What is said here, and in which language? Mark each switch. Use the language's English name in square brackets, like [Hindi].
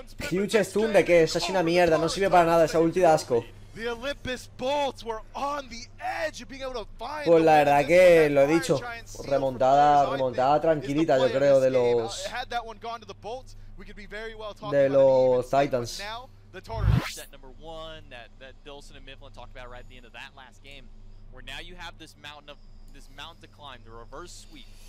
[English] Huge stun [Spanish] de que es una mierda, no sirve para nada esa ulti de asco. [English] The Olympus Bolts were on the edge of being able to find. [Spanish] Pues la verdad que lo he dicho, remontada tranquilita, yo creo, de los Titans. [English] Set number 1 that Dilson and Mifflin talked about right at the end of that last game, where now you have this mountain to climb, the reverse sweep.